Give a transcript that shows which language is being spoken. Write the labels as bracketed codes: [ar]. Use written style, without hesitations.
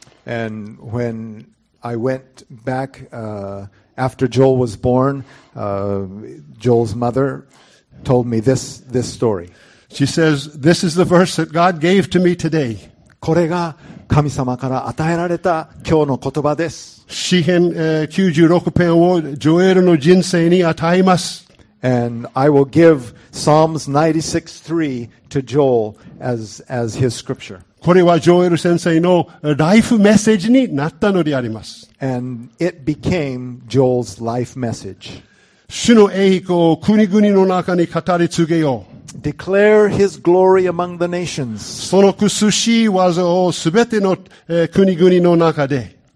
[en] And whenI went back, after Joel was born, Joel's mother told me this story. She says, this is the verse that God gave to me today. [ja] これが神様から与えられた今日の言葉です。詩編96篇をジョエルの人生に与えます。 [en] And I will give Psalms 96:3 to Joel as his scripture. [ja] これはジョエル先生のライフメッセージになったのであります。 [en] And it became Joel's life message. [ja] 主の栄光を国々の中に語り継げよう。 [en] Declare his glory among the nations. [ja] その美しい技をすべての国々の中で。